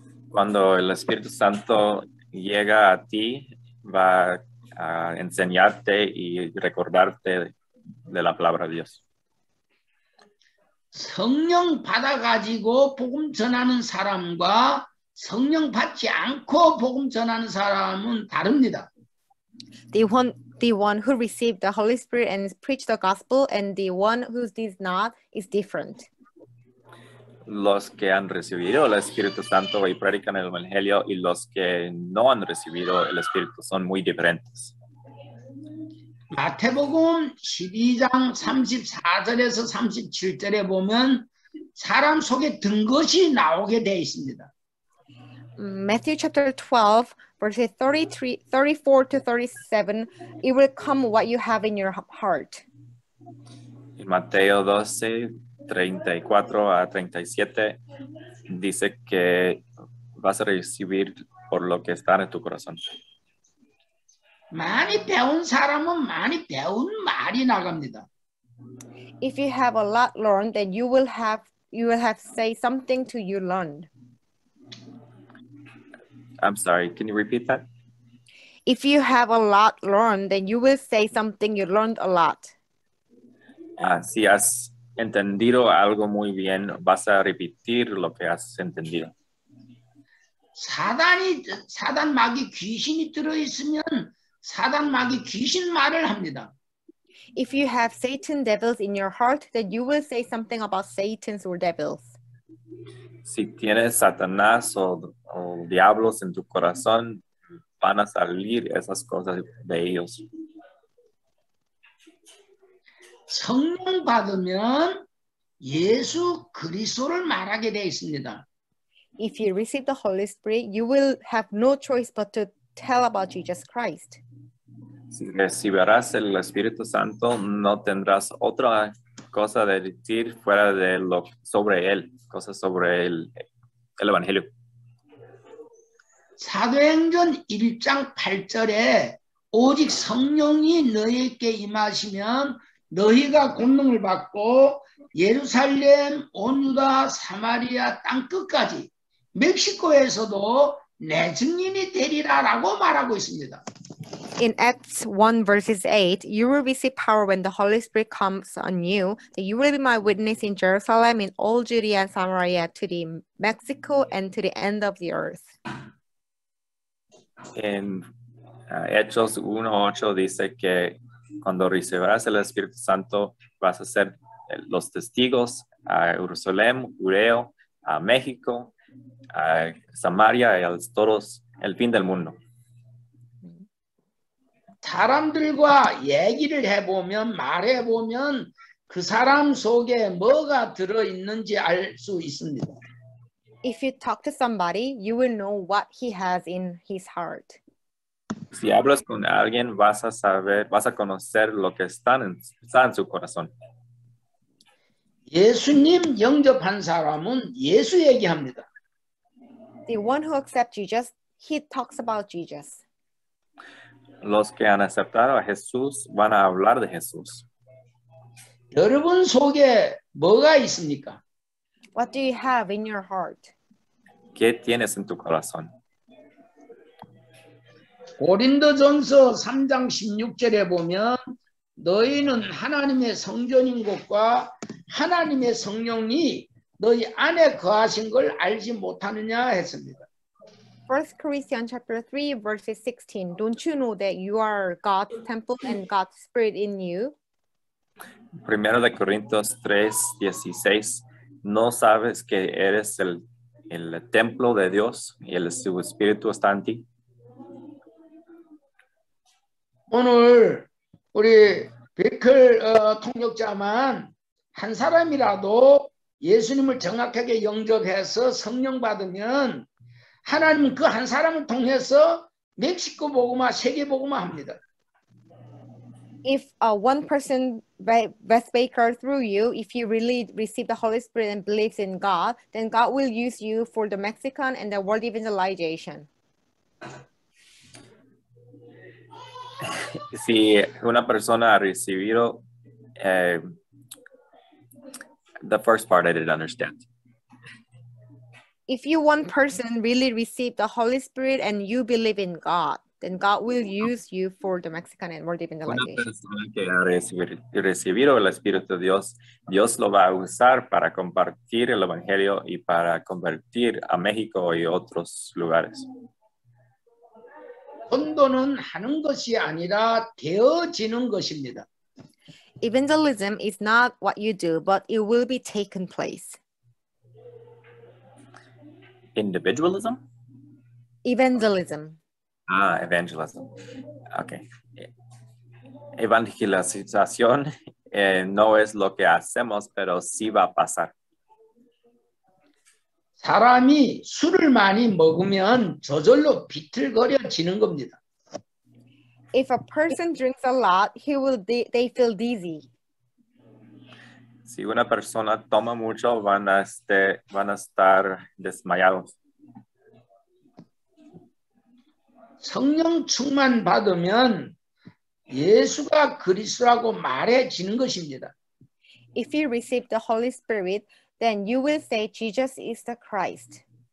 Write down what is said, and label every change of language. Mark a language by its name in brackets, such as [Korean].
[Spanish] Cuando el Espíritu Santo llega a ti, va a enseñarte y recordarte de la palabra de Dios. [Korean] 성령 받아가지고 복음 전하는 사람과 성령 받지 않고 복음 전하는 사람은 다릅니다. [English] The one who received the Holy Spirit and preached the gospel, and the one who did not is different. [Spanish] Los que han recibido el Espíritu Santo y predican el Evangelio, y los que no han recibido el Espíritu son muy diferentes. [Korean] Mateo복음 12장 34절에서 37절에 보면 사람 속에 든 것이 나오게 돼 있습니다. [English] Matthew chapter 12, verses 34 to 37, it will come what you have in your heart. [Spanish] Y Mateo 12, 34 a 37, dice que vas a recibir por lo que está en tu corazón. [Korean] 많이 배운 사람은 많이 배운 말이 나갑니다. [English] If you have a lot learned, then you will have say something to you learned. I'm sorry, can you repeat that? If you have a lot learned, then you will say something you learned a lot. [Spanish] Si has entendido algo muy bien, vas a repetir lo que has entendido. [Korean] 사단 마귀 귀신이 들어 있으면 사단 마귀 귀신 말을 합니다. [English] If you have Satan devils in your heart, then you will say something about Satan's or devils. [Spanish] Si tienes Satanás o diablos en tu corazón, van a salir esas cosas de ellos. [Korean] 성령 받으면 예수 그리스도를 말하게 돼 있습니다. [English] If you receive the Holy Spirit, you will have no choice but to tell about Jesus Christ. [Spanish] Si recibirás el Espíritu Santo, no tendrás otra cosa de decir fuera de lo sobre él, cosas sobre el Evangelio. [Korean] 사도행전 1장 8절에 오직 성령이 너희에게 임하시면 너희가 권능을 받고 예루살렘, 온 유다, 사마리아 땅끝까지 멕시코에서도 내 증인이 되리라 라고 말하고 있습니다. [English] In Acts 1 verses 8, you will receive power when the Holy Spirit comes on you, that you will be my witness in Jerusalem, in all Judea and Samaria, to the Mexico and to the end of the earth. [Spanish] En Hechos 1:8 dice que cuando recibirás el Espíritu Santo vas a ser los testigos a Jerusalén, Judea, a México, a Samaria y a todos el fin del mundo. [Korean] 사람들과 얘기를 해보면 말해보면 그 사람 속에 뭐가 들어 있는지 알 수 있습니다. [English] If you talk to somebody, you will know what he has in his heart. [Spanish] Si hablas con alguien, vas a conocer lo que está en su corazón. [Korean] 예수님 영접한 사람은 예수 얘기합니다. [English] The one who accepts Jesus, he talks about Jesus. [Spanish] Los que han aceptado a Jesús van a hablar de Jesús. [Korean] 여러분 속에 뭐가 있습니까? [English] What do you have in your heart? [Spanish] ¿Qué tienes en tu corazón? [Korean] 고린도전서 3장 16절에 보면 너희는 하나님의 성전인 것과 하나님의 성령이 너희 안에 거하신 걸 알지 못하느냐 했습니다. [English] 1 Corinthians chapter 3 verses 16. Don't you know that you are God's temple and God's spirit in you? 1 Corinthians 3:16. [Spanish] ¿No sabes que eres el templo de Dios y el su espíritu está en ti? [Korean] 오늘 우리 비클 통역자만 한 사람이라도 예수님을 정확하게 영접해서 성령 받으면 하나님 그 한 사람을 통해서 멕시코 복음화, 세계 복음화합니다. [English] If one person, Beth Baker, through you, if you really receive the Holy Spirit and believes in God, then God will use you for the Mexican and the world evangelization. [Spanish] Si una persona ha recibido, [English] the first part I didn't understand. If you one person really receive the Holy Spirit and you believe in God, then God will use you for the Mexican and world evangelization. [Spanish] Una persona que ha recibido el Espíritu de Dios, Dios lo va a usar para compartir el Evangelio y para convertir a México y otros lugares. [Korean] 전도는 하는 것이 아니라 되어지는 것입니다. [English] Evangelism is not what you do, but it will be taken place. Individualism? Evangelism. Ah, evangelism. Okay. [Spanish] Evangelización no es lo que hacemos, pero sí va a pasar. [Korean] 사람이 술을 많이 먹으면 저절로 비틀거려지는 겁니다. [English] If a person drinks a lot, he will they feel dizzy. [Spanish] Si una persona toma mucho, van a estar desmayados. [Korean] 성령 충만 받으면 예수가 그리스도라고 말해지는 것입니다. [English] If you receive the Holy Spirit, then you will say Jesus is the Christ.